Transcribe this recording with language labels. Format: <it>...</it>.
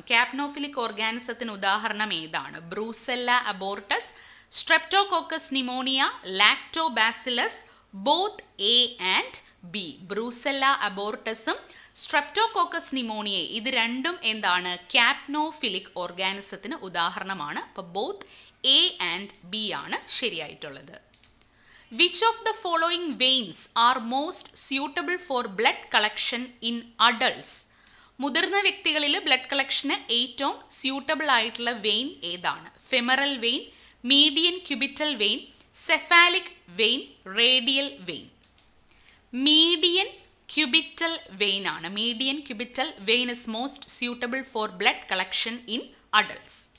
<ml>ക്യാപ്നോഫിലിക് ഓർഗാനിസത്തിന് ഉദാഹരണം ഏതാണ്? Brucella abortus, streptococcus pneumonia, lactobacillus</ml> <en>Both A and B.</en> <ml>Brucella അബോർട്ടസും streptococcus pneumonia, ഇത് രണ്ടും എന്താണ്? ക്യാപ്നോഫിലിക് ഓർഗാനിസത്തിന് ഉദാഹരണമാണ്. അപ്പോൾ</ml> <en>both A and B</en> <ml>ആണ് ശരിയായിട്ടുള്ളത്.</ml> <en>Which of the following veins are most suitable for blood collection in adults?</en> <ml>മുതിർന്ന വ്യക്തികളിൽ ബ്ലഡ് കളക്ഷന് ഏറ്റവും സ്യൂട്ടബിൾ ആയിട്ടുള്ള വെയിൻ ഏതാണ്? Femoral vein, median cubital vein, cephalic vein, radial vein. Median cubital vein ആണ്.</ml> <en>Median cubital vein is most suitable for blood collection in adults.</en>